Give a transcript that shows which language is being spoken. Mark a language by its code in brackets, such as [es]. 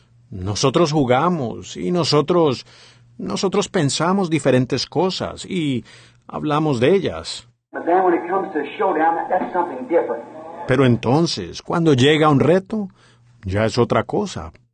[es] Nosotros jugamos y nosotros pensamos diferentes cosas y hablamos de ellas. [en] But then when it comes to showdown, that's something different. [es] Pero entonces, cuando llega un reto, ya es otra cosa.